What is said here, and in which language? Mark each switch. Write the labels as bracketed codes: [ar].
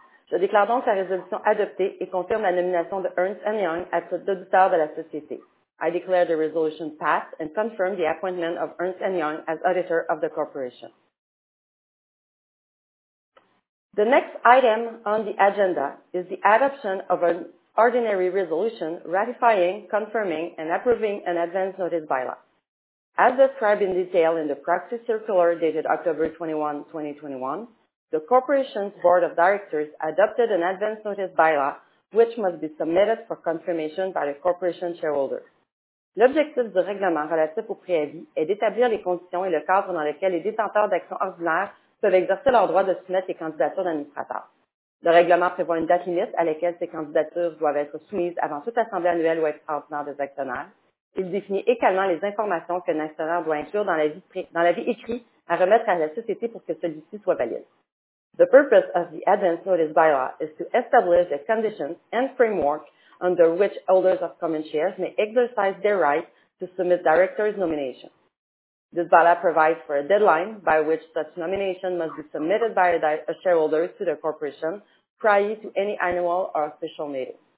[fr] Je déclare donc la résolution adoptée et confirme la nomination de Ernst & Young à titre d'auditeur de la société. [en] I declare the resolution passed and confirm the appointment of Ernst & Young as auditor of the corporation. The next item on the agenda is the adoption of an ordinary resolution ratifying, confirming, and approving an advance notice bylaw. As described in detail in the proxy circular dated October 21, 2021, the corporation's board of directors adopted an advance notice bylaw, which must be submitted for confirmation by the corporation shareholder. [fr] L'objectif du règlement relatif au préavis est d'établir les conditions et le cadre dans lequel les détenteurs d'actions ordinaires peuvent exercer leur droit de soumettre les candidatures d'administrateurs. Le règlement prévoit une date limite à laquelle ces candidatures doivent être soumises avant toute assemblée annuelle ou extraordinaire des actionnaires. Il définit également les informations qu'un actionnaire doit inclure dans l'avis écrit à remettre à la société pour que celui-ci soit valide. [en] The purpose of the advance notice bylaw is to establish the conditions and framework under which holders of common shares may exercise their right to submit directors' nominations. This bylaw provides for a deadline by which such nomination must be submitted by a shareholder to the corporation prior to any annual or official meeting.